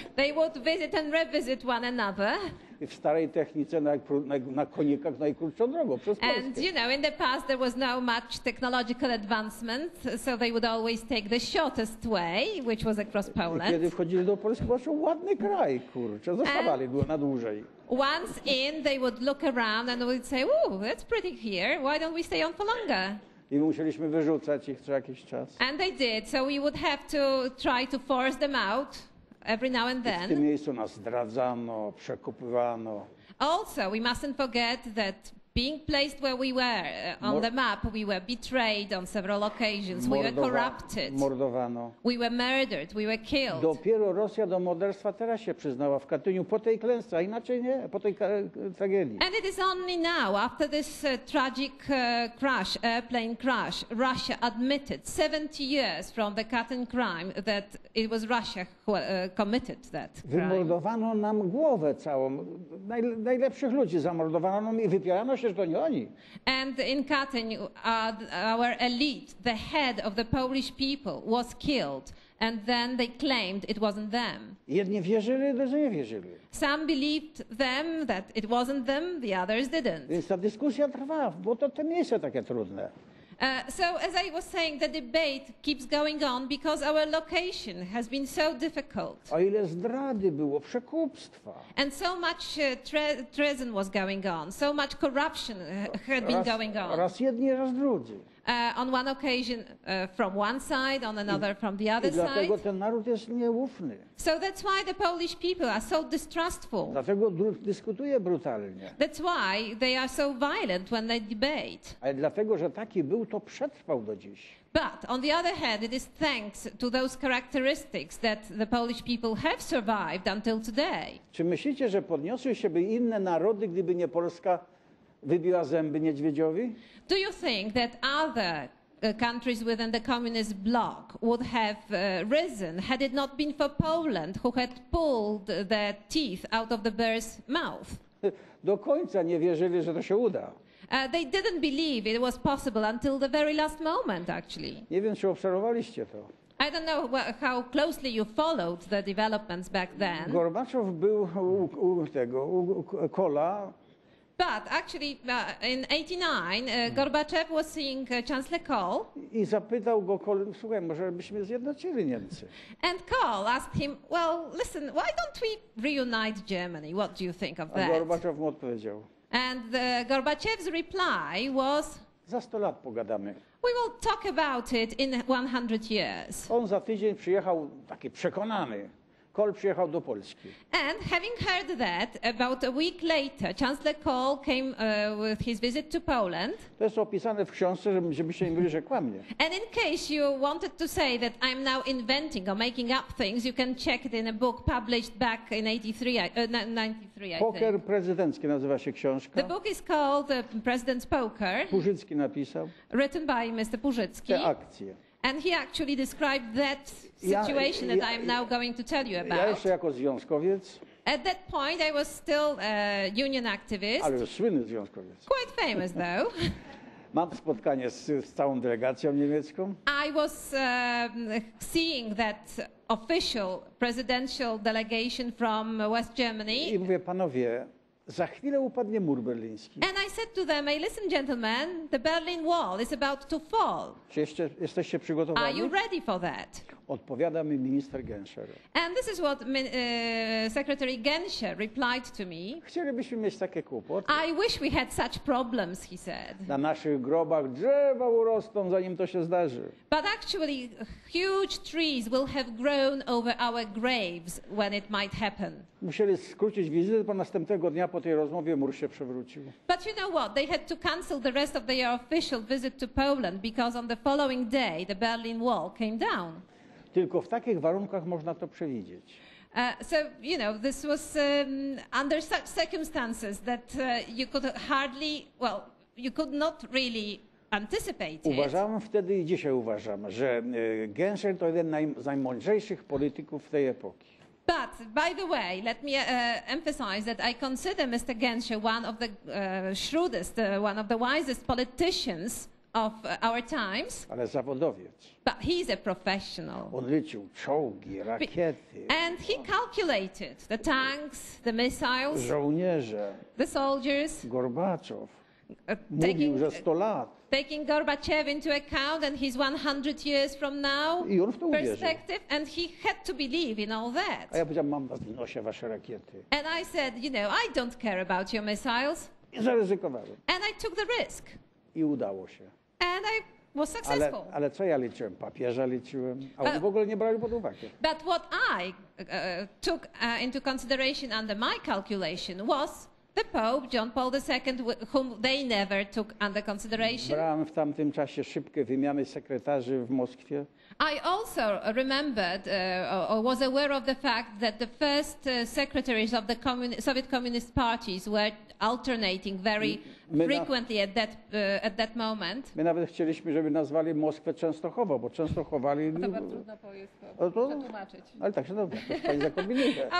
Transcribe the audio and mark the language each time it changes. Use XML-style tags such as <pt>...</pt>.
<en>They would visit and revisit one another.</en> <pl>W starej technice na konikach najkrótszą drogą przez Polskę.</pl> <en>And you know, in the past there was no much technological advancement, so they would always take the shortest way, which was across Poland.</en> <pl>Kiedy wchodzili do Polski, to był ładny kraj, kurczę, zostawali go na dłużej.</pl> <en>Once in, they would look around and would say, that's pretty here, why don't we stay on for longer?</en> <pl>I musieliśmy wyrzucać ich co jakiś czas.</pl> <en>And they did, so we would have to try to force them out. Every now and then.</en> <pl>W tym miejscu nas zdradzano, przekupywano.</pl> <en>Also, we mustn't forget that being placed where we were on the map, we were betrayed on several occasions. We were corrupted.</en> <pl>Mordowano.</pl> <en>We were murdered. We were killed.</en> <pl>Dopiero Rosja do morderstwa teraz się przyznała w Katyniu po tej klęsce, a inaczej nie, po tej tragedii.</pl> <en>And it is only now, after this tragic crash, airplane crash, Russia admitted 70 years from the Katyn crime that it was Russia who committed that crime.</en> <pl>Wymordowano nam głowę całą. Najlepszych ludzi zamordowano nam i wypierano.</pl> <en>And in Katyn, our elite, the head of the Polish people, was killed, and then they claimed it wasn't them.</en> <pl>Jedni wierzyli, drudzy nie wierzyli.</pl> <en>Some believed them that it wasn't them, the others didn't.</en> <pl>Więc ta dyskusja trwa, bo to te miejsce takie trudne.</pl> <en>So as I was saying, the debate keeps going on because our location has been so difficult.</en> <pl>A ile zdrady było, przekupstwa.</pl> <en>And so much treason was going on, so much corruption had been going on.</en> <pl>Raz jedni, raz drugi.</pl> <en>On one occasion from one side, on another from the other</en> <pl>dlatego</pl> <en>side.</en> <pl>Dlatego ten naród jest nieufny.</pl> <en>So that's why the Polish people are so distrustful.</en> <pl>Dlatego dyskutuje brutalnie.</pl> <en>That's why they are so violent when they debate.</en> <pl>Ale dlatego, że taki był, to przetrwał do dziś.</pl> <en>But on the other hand, it is thanks to those characteristics that the Polish people have survived until today.</en> <pl>Czy myślicie, że podniosły się by inne narody, gdyby nie Polska wybiła zęby niedźwiedziowi?</pl> <en>Do you think that other countries within the communist bloc would have risen had it not been for Poland, who had pulled the teeth out of the bear's mouth?</en> <pl>Do końca nie wierzyli, że to się uda.</pl> <en>They didn't believe it was possible until the very last moment, actually.</en> <pl>Nie wiem, czy obserwowaliście to.</pl> <en>I don't know how closely you followed the developments back then.</en> <pl>Gorbaczow był u tego, u Kola.</pl> <en>But actually, in 89, Gorbachev was seeing Chancellor Kohl.</en> <pl>I zapytał go Kohl, słuchaj, może byśmy zjednoczyli Niemcy.</pl> <en>And Kohl asked him, well, listen, why don't we reunite Germany? What do you think of that?</en> <pl>A Gorbachev mu odpowiedział.</pl> <en>And Gorbachev's reply was,</en> <pl>za 100 lat pogadamy.</pl> <en>We will talk about it in 100 years.</en> <pl>On za tydzień przyjechał taki przekonany. Kohl przyjechał do Polski.</pl> <en>And having heard that, about a week later, Chancellor Kohl came with his visit to Poland.</en> <pl>To jest opisane w książce, żebyście nie mówili, że kłamie.</pl> <en>And in case you wanted to say that I'm now inventing or making up things, you can check it in a book published back in 93.</en> <pl>Poker prezydencki nazywa się książka.</pl> <en>The book is called The President's Poker.</en> <pl>Pużycki napisał.</pl> <en>Written by Mr. Pużycki.</en> <pl>Te akcje.</pl> <en>And he actually described that situation that I'm now going to tell you about.</en> <pl>Ja jeszcze jako związkowiec.</pl> <en>At that point I was still a union activist.</en> <pl>Ale już słynny związkowiec.</pl> <en>Quite famous though.</en> <pl>Mam spotkanie z całą delegacją niemiecką.</pl> <en>I was seeing that official presidential delegation from West Germany.</en> <pl>I mówię, panowie, za chwilę upadnie mur berliński.</pl> <en>And I said to them, hey, listen, gentlemen, the Berlin Wall is about to fall.</en> <pl>Czy jeszcze jesteście przygotowani?</pl> <en>Are you ready for that?</en> <pl>Odpowiada mi minister Genscher.</pl> <en>And this is what Secretary Genscher replied to me.</en> <pl>Chcielibyśmy mieć takie kłopoty.</pl> <en>I wish we had such problems, he said.</en> <pl>Na naszych grobach drzewa urosną, zanim to się zdarzy.</pl> <en>But actually, huge trees will have grown over our graves when it might happen.</en> <pl>Musieli skrócić wizytę, bo następnego dnia po tej rozmowie mur się przewrócił.</pl> <en>But you know what? They had to cancel the rest of their official visit to Poland because on the following day the Berlin Wall came down.</en> <pl>Tylko w takich warunkach można to przewidzieć.</pl> <en>So, you know, this was under such circumstances that you could hardly, well, you could not really anticipate it.</en> <pl>Uważałem wtedy i dzisiaj uważam, że Genscher to jeden z najmądrzejszych polityków tej epoki.</pl> <en>But, by the way, let me emphasize that I consider Mr. Genscher one of the shrewdest, one of the wisest politicians of our times.</en> <pl>Ale zawodowiec.</pl> <en>But he's a professional.</en> <pl>On liczył czołgi, rakiety.</pl> <en>And he calculated the tanks, the missiles.</en> <pl>Żołnierze.</pl> <en>The soldiers.</en> <pl>Gorbaczow. Mówił, że 100 lat.</pl> <en>Taking Gorbachev into account and his 100 years from now perspective, and he had to believe in all that.</en> <pl>A ja powiedziałem, mam w nosie wasze rakiety.</pl> <en>And I said, you know, I don't care about your missiles.</en> <pl>I zaryzykowałem.</pl> <en>And I took the risk.</en> <pl>I udało się.</pl> <en>And I was successful.</en> <pl>Ale co ja liczyłem? Papieża liczyłem? A oni w ogóle nie brali pod uwagę.</pl> <en>But what I took into consideration under my calculation was the Pope, John Paul II, whom they never took under consideration.</en> <pl>Brałem w tamtym czasie szybkie wymiany sekretarzy w Moskwie.</pl> <en>I also remembered or was aware of the fact that the first secretaries of the Soviet Communist parties were alternating very frequently at that moment.</en> <pl>My nawet chcieliśmy, żeby nazwali Moskwę Częstochową, bo Częstochowali. To bardzo trudno jest to przetłumaczyć. Ale tak się dobrze, to pani zakombinuje.</pl>